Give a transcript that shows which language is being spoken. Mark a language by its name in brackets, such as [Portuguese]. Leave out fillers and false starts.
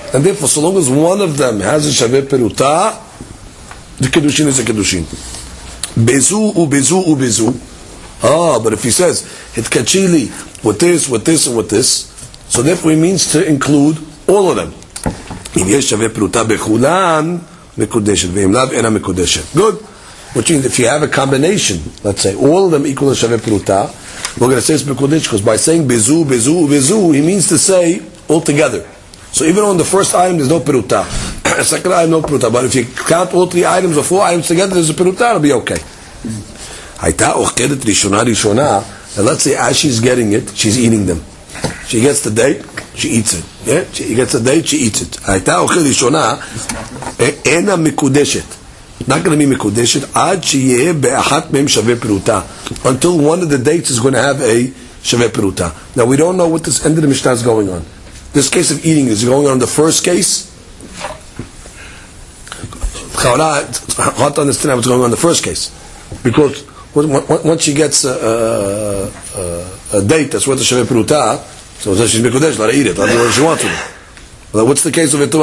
[English] And therefore, so long as one of them has a shave peruta, the kedushin is a kedushin. Bizu, ubizu, ubizu. Ah, but if he says it kachili with this, and with this, so therefore he means to include all of them. [Hebrew] אם יש שווה פרוטה בכולן, מקודשת, ואם לאו אינה מקודשת. [English] Good. Which means if you have a combination, let's say, all of them equal to שווה פרוטה, we're going to say it's מקודשת, because by saying בזו, בזו, בזו, he means to say all together. So even on the first item, there's no פרוטה. Second item, no פרוטה. But if you count all three items or four items together, there's a פרוטה, it'll be okay. [Hebrew] הייתה אוכלת ראשונה ראשונה, [English] and let's say as she's getting it, she's eating them. She gets the date, she eats it. Yeah? She gets a date, she eats it. [Hebrew] הייתה אוכל ראשונה, אינה מקודשת. [English] Not going to be [Hebrew] מקודשת, עד שיהיה באחת מהם שווה פרוטה. [English] Until one of the dates is going to have a שווה פרוטה. Now we don't know what this end of the Mishnah is going on. This case of eating, is going on the first case? It's hard to understand what's going on in the first case. Because once she gets a date, that's what the Shavei Peruta, so she's Mekodesh, let her eat it, let her do what she wants with it. Well, what's the case of it?